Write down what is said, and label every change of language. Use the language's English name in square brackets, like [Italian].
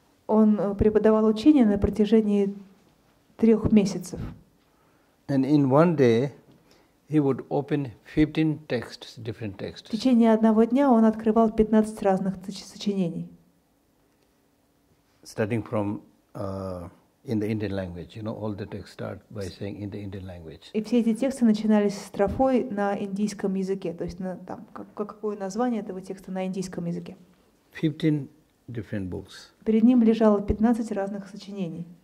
[Russian] Он преподавал учение на протяжении 3 месяцев. [English] And in one day, he would open 15 texts, different texts. [Russian] В течение одного дня он открывал 15 разных сочинений. [English] Starting from in the Indian language, you know, all the texts start by saying in the Indian language. [Russian] И все эти тексты начинались с строфой на индийском языке, то есть на там какое название этого текста на индийском языке. [English] 15 different books. [Russian] Перед ним лежало 15 разных сочинений.